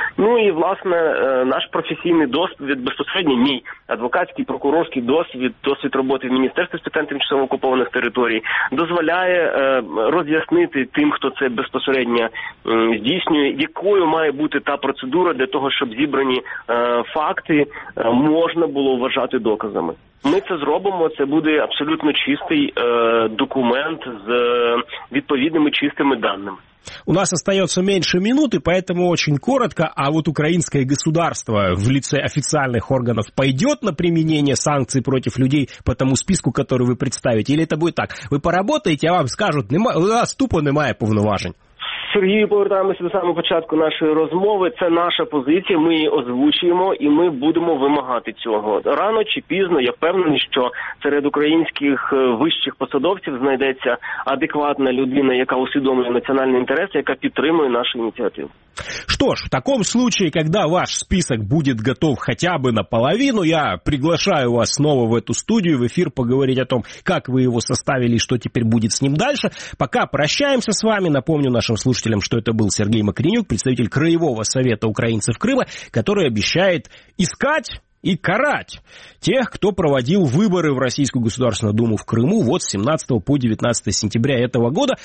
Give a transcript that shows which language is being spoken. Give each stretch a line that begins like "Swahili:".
Ukrainian: Ну і, власне, наш професійний досвід, безпосередньо мій адвокатський, прокурорський досвід, досвід роботи в Міністерстві з питань тимчасово окупованих територій, дозволяє роз'яснити тим, хто це безпосередньо здійснює, якою має бути та процедура для того, щоб зібрані факти можна було вважати доказами. Ми це зробимо, це буде абсолютно чистий документ з відповідними чистими даними.
Russian: У нас остается меньше минуты, поэтому очень коротко, а вот украинское государство в лице официальных органов пойдет на применение санкций против людей по тому списку, который вы представите, или это будет так? Вы поработаете, а вам скажут, у вас тупо
Ukrainian: немає повноважень. Сергію, повертаємося до самого початку нашої розмови. Це наша позиція, ми її озвучуємо і ми будемо вимагати цього. Рано чи пізно, я впевнений, що серед українських вищих посадовців знайдеться адекватна людина, яка усвідомлює національні інтереси, яка підтримує нашу ініціативу.
Russian: Что ж, в таком случае, когда ваш список будет готов хотя бы наполовину, я приглашаю вас снова в эту студию, в эфир, поговорить о том, как вы его составили и что теперь будет с ним дальше. Пока прощаемся с вами, напомню нашим слушателям, слушателям, что это был Сергей Макаренюк, представитель Краевого совета украинцев Крыма, который обещает искать и карать тех, кто проводил выборы в Российскую Государственную Думу в Крыму вот с 17 по 19 сентября этого года.